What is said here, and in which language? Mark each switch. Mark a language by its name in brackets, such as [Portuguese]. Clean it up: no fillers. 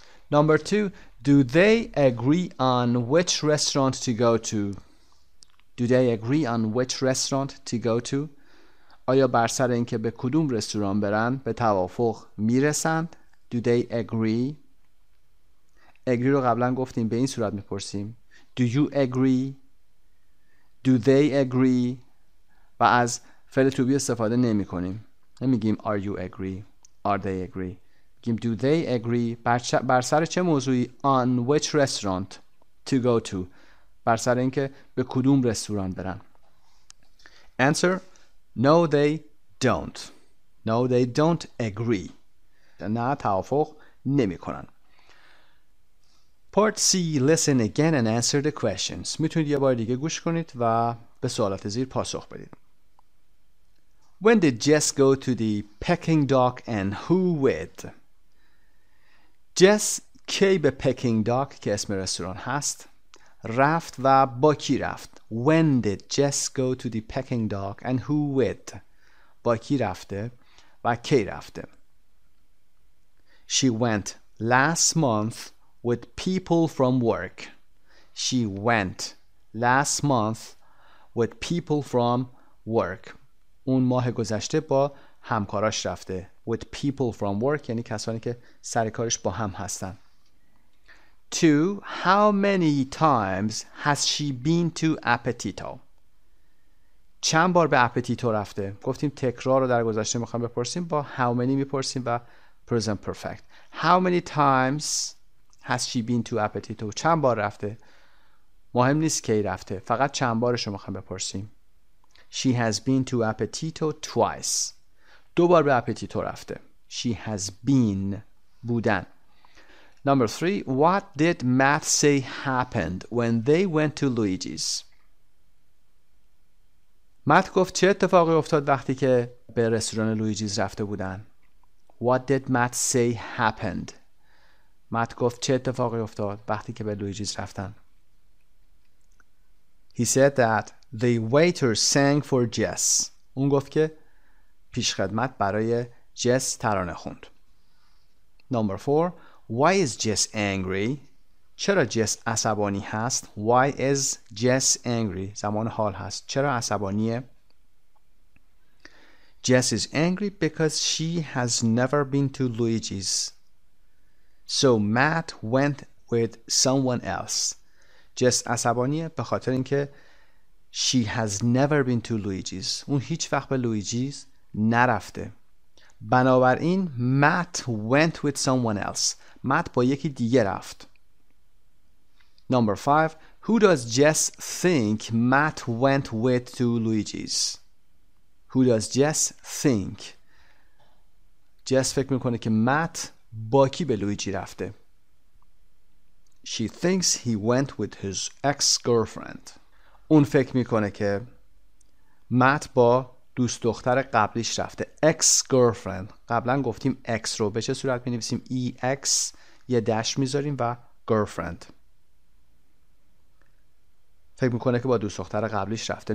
[English] Number two, do they agree on which restaurant to go to? Do they agree on which restaurant to go to? [Persian] آیا بر سر این که به کدوم رستوران برن به توافق میرسند؟ [English] Do they agree? [Persian] Agree رو قبلا گفتیم، به این صورت میپرسیم. [English] Do you agree? Do they agree? [Persian] و از فعل to be استفاده نمی کنیم. نمیگیم [English] are you agree? Are they agree? [Persian] میگیم [English] do they agree? [Persian] بر سر چه موضوعی؟ [English] On which restaurant to go to؟ [Persian] بر سر این که به کدوم رستوران برن. [English] Answer: No, they don't. No, they don't agree. [Persian] نه، توافق نمی کنن. [English] Part C. Listen again and answer the questions. [Persian] میتونید یه بار دیگه گوش کنید و به سوالات زیر پاسخ بدید. [English] When did Jess go to the Peking Duck and who with? [Persian] Jess کی به Peking Duck، که اسم رستوران هست، رفت و با کی رفت؟ [English] When did Jess go to the Peking Duck and who with? [Persian] با کی رفته و کی رفته؟ [English] She went last month with people from work. She went last month with people from work. [Persian] اون ماه گذشته با همکاراش رفته. With people from work یعنی کسانی که سر کارش با هم هستن. [English] Two, how many times has she been to Appetito? [Persian] چند بار به Appetito رفته؟ گفتیم تکرار رو در گذشته میخوام بپرسیم، با how many میپرسیم و present perfect. [English] How many times has she been to Appetito؟ [Persian] چند بار رفته؟ مهم نیست کی رفته، فقط چند بارش رو میخوام بپرسیم. [English] She has been to Appetito twice. [Persian] دو بار به Appetito رفته. [English] She has been بودن. Number 3. What did Matt say happened when they went to Luigi's? [Persian] Matt گفت چه اتفاقی افتاد وقتی که به رستوران لویجیز رفته بودن. [English] What did Matt say happened? [Persian] Matt گفت چه اتفاقی افتاد وقتی که به لویجیز رفتن. [English] He said that the waiter sang for Jess. [Persian] اون گفت که پیش خدمت برای جس ترانه خوند. [English] Number 4. Why is Jess angry? [Persian] چرا جس عصبانی هست؟ [English] Why is Jess angry؟ [Persian] زمان حال هست. چرا عصبانیه؟ [English] Jess is angry because she has never been to Luigi's. So Matt went with someone else. [Persian] جس عصبانیه به خاطر اینکه [English] she has never been to Luigi's. [Persian] اون هیچ وقت به لویجیز نرفته. [English] بنابراین Matt went with someone else. [Persian] مات با یکی دیگه رفت. [English] Number 5. Who does Jess think Matt went with to Luigi's? Who does Jess think? [Persian] Jess فکر میکنه که مات با کی به لویجی رفته. [English] She thinks he went with his ex-girlfriend. [Persian] اون فکر میکنه که مات با دوست دختر قبلیش رفته. [English] Ex-girlfriend. [Persian] قبلا گفتیم ex رو به چه صورت می‌نویسیم؟ ex یه داش میذاریم و girlfriend. فکر میکنه که با دوست دختر قبلیش رفته.